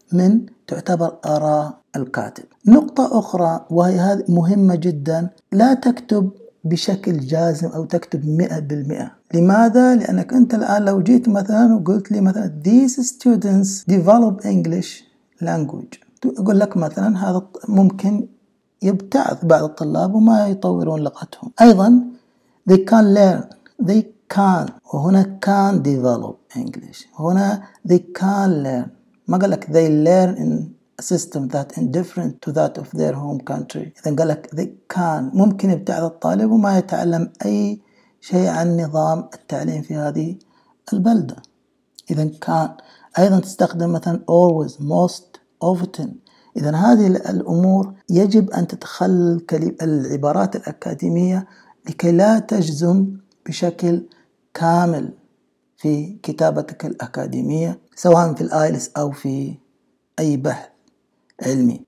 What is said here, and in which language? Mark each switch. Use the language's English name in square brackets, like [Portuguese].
[Arabic] من تعتبر آراء الكاتب. نقطة أخرى وهي هذه مهمة جدا، لا تكتب بشكل جازم أو تكتب 100%. لماذا؟ لأنك أنت الآن لو جيت مثلا وقلت لي مثلا [English] These students develop English language، [Arabic] أقول لك مثلا هذا ممكن يبتعث بعض الطلاب وما يطورون لغتهم. [English] أيضا They can learn، They can، وهنا can develop English، هنا They can learn، [Arabic] ما قال لك [English] They learn in a system that indifferent to that of their home country. [Arabic] إذن قال لك [English] They can، [Arabic] ممكن يبتعث الطالب وما يتعلم أي شيء عن نظام التعليم في هذه البلدة. إذن كان أيضا تستخدم مثلا always، most، often. إذن هذه الأمور يجب أن تتخلل العبارات الأكاديمية لكي لا تجزم بشكل كامل في كتابتك الأكاديمية سواء في الآيلس أو في أي بحث علمي.